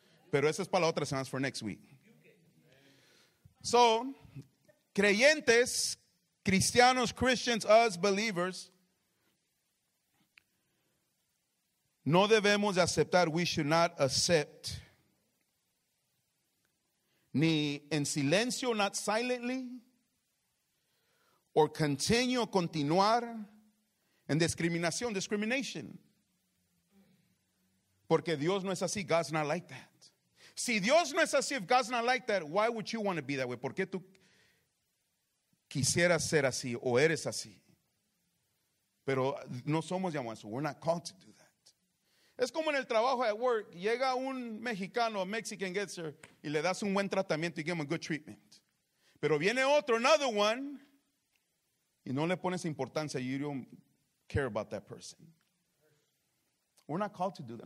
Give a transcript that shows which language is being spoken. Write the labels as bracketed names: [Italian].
[Spanish] Pero eso es para la otra semana, [English] for next week. [Spanish] So, creyentes, cristianos, [English] Christians, us believers, [Spanish] no debemos de aceptar, [English] we should not accept, [Spanish] ni en silencio, [English] not silently, or [Spanish] continuar en discriminación, discrimination. Porque Dios no es así, [English] God's not like that. [Spanish] Si Dios no es así, [English] if God's not like that, why would you want to be that way? [Spanish] ¿Por qué tú quisieras ser así o eres así? Pero no somos llamados a eso, [English] we're not called to do that. [Spanish] Es como en el trabajo, [English] at work, [Spanish] llega un mexicano, [English] a Mexican gets there, [Spanish] y le das un buen tratamiento, [English] you give him a good treatment. [Spanish] Pero viene otro, [English] another one, [Spanish] y no le pones importancia, [English] you don't care about that person. We're not called to do that.